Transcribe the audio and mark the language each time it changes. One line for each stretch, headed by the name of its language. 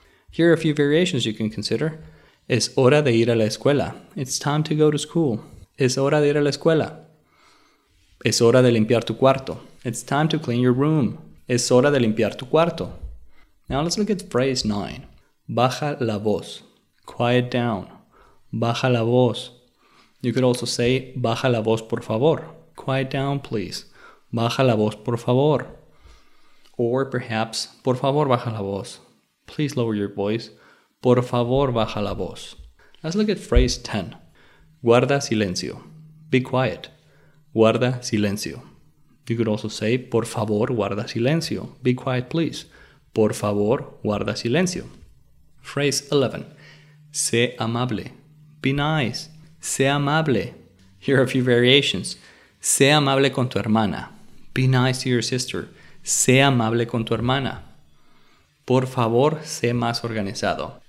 English: Here are a few variations you can consider.
Spanish: Es hora de ir a la escuela.
English: It's time to go to school.
Spanish: Es hora de ir a la escuela. Es hora de limpiar tu cuarto.
English: It's time to clean your room.
Spanish: Es hora de limpiar tu cuarto.
English: Now let's look at phrase 9.
Spanish: Baja la voz.
English: Quiet down. Baja la voz. You could also say,
Spanish: baja la voz, por favor.
English: Quiet down, please.
Spanish: Baja la voz, por favor.
English: Or perhaps,
Spanish: por favor, baja la voz.
English: Please lower your voice.
Spanish: Por favor, baja la voz.
English: Let's look at phrase 10.
Spanish: Guarda silencio.
English: Be quiet.
Spanish: Guarda silencio.
English: You could also say,
Spanish: por favor, guarda silencio.
English: Be quiet, please.
Spanish: Por favor, guarda silencio.
English: Phrase 11.
Spanish: Sé amable.
English: Be nice.
Spanish: Sé amable.
English: Here are a few variations.
Spanish: Sé amable con tu hermana.
English: Be nice to your sister.
Spanish: Sé amable con tu hermana. Por favor, sé más organizado.